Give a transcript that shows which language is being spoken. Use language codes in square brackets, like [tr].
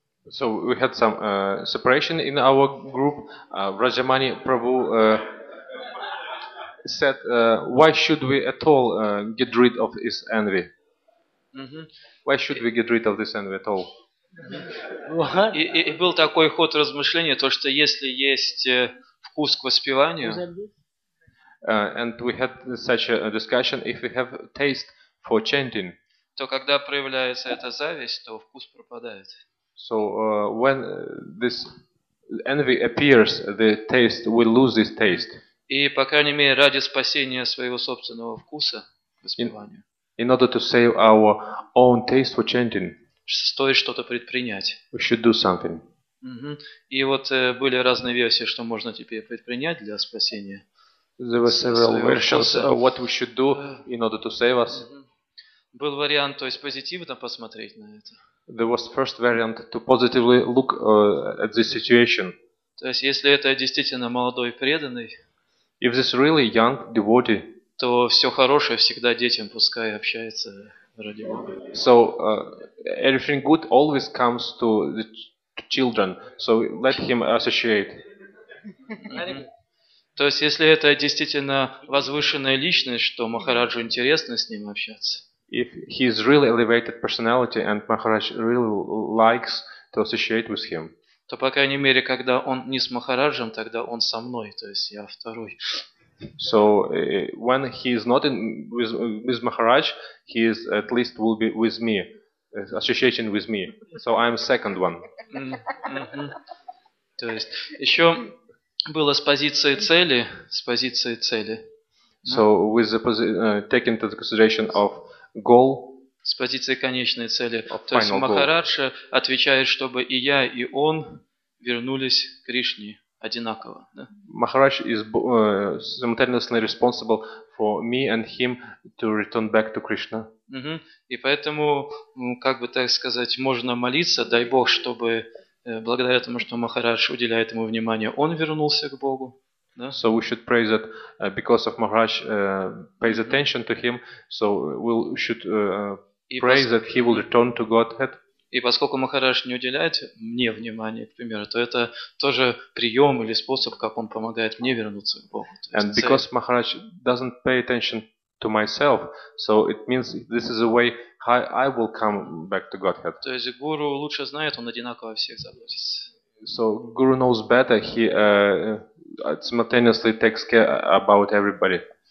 [en] So we had some separation in our group. Раджамани Прабу said, why should we at all get rid of this envy? Why should we get rid of this envy at all? [ru] И был такой ход размышления, то что если есть вкус к воспеванию, [en] and we had such a discussion, if we have taste for chanting, [ru] то когда проявляется эта зависть, то вкус пропадает. [en] So when this envy appears, the taste will lose this taste. [ru] И по крайней мере ради спасения своего собственного вкуса к воспеванию. [en] In order to save our own taste for chanting. [ru] Стоит что-то предпринять. [en] We should do something. Mm-hmm. [ru] И вот были разные версии, что можно теперь предпринять для спасения. [en] There were several versions of what we should do in order to save us. Mm-hmm. [ru] Был вариант, то есть позитивно посмотреть на это. [en] There was first variant to positively look at this situation. [ru] То есть если это действительно молодой преданный, [en] If this really young devotee, [ru] то все хорошее всегда детям пускай общается ради Бога. [en] So everything good always comes to the children. So let him associate. [ru] То есть если это действительно возвышенная личность, что Махараджу интересно с ним общаться. [en] If he is really elevated personality and Maharaj really likes to associate with him. [ru] То по крайней мере, когда он не с Махараджем, тогда он со мной, то есть я второй. [en] So when he is not in with Maharaj, he is at least will be with me, associating with me. So I am second one. Mm-hmm. [ru] То есть еще было с позиции цели, с позиции цели. [en] So with the taking into consideration of goal. [ru] С позиции конечной цели. То есть Махараджа отвечает, чтобы и я, и он вернулись к Кришне одинаково. [en] Махарадж is simultaneously responsible for me and him to return back to Krishna. [ru] И поэтому, как бы так сказать, можно молиться, дай Бог, чтобы благодаря тому, что Махарадж уделяет ему внимание, он вернулся к Богу. [en] So we should pray that because of Maharaj pays attention to him, so we should pray that he will return to Godhead. [ru] И поскольку Махарадж не уделяет мне внимания, к примеру, то это тоже прием или способ, как он помогает мне вернуться к Богу. То есть, [en] and because Maharaj doesn't pay attention to myself, so it means this is a way how I will come back to Godhead. [ru] То есть гуру лучше знает, он одинаково всех заботится. [en] So guru knows better, he simultaneously takes care about everybody.